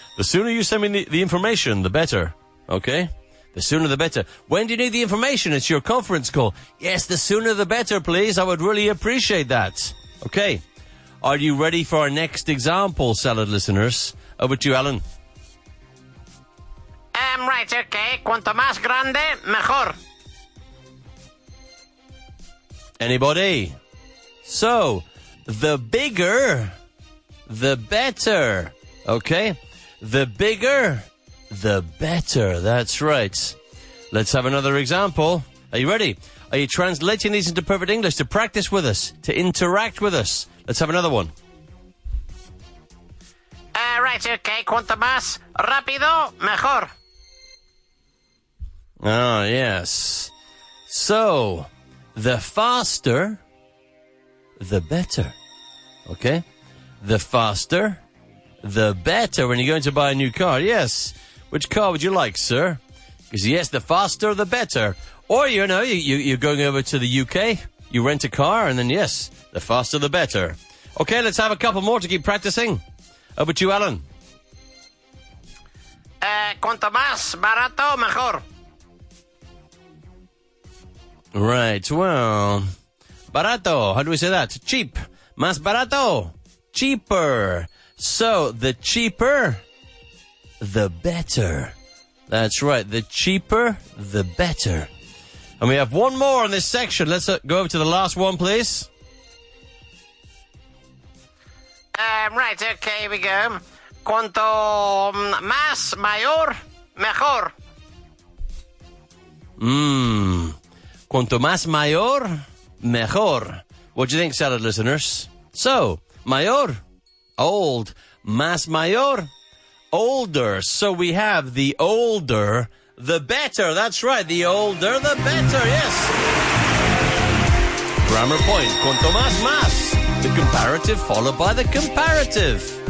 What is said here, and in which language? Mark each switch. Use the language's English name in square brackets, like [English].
[English] The sooner you send me the information, the better. Okay? The sooner, the better. When do you need the information? It's your conference call. Yes, the sooner, the better, please. I would really appreciate that. Okay. Are you ready for our next example, salad listeners? Over to you, Alan. Right, okay. [Spanish] Cuanto más grande, mejor. [English] Anybody? So, the bigger, the better. Okay? The bigger, the better. That's right. Let's have another example. Are you ready? Are you translating these into perfect English to practice with us, to interact with us? Let's have another one. Right, okay. [Spanish] Cuanto más rápido, mejor. [English] Ah, yes. So, the faster, the better. Okay? The faster, the better. When you're going to buy a new car, yes. Which car would you like, sir? Because, yes, the faster, the better. Or, you know, you're going over to the UK, you rent a car, and then, yes, the faster, the better. Okay, let's have a couple more to keep practicing. Over to you, Alan. [Spanish] Cuanto más barato, mejor. [English] Right, well, barato, how do we say that? Cheap, más barato, cheaper. So, the cheaper, the better. That's right, the cheaper, the better. And we have one more in this section. Let's go over to the last one, please. Right, okay, here we go. Cuanto más mayor, mejor. [Spanish] Cuanto más mayor, mejor. [English] What do you think, salad listeners? So, mayor, old. Más mayor, older. So we have the older, the better. That's right, the older, the better, yes. [Spanish] Grammar point, cuanto más, más. [English] The comparative followed by the comparative.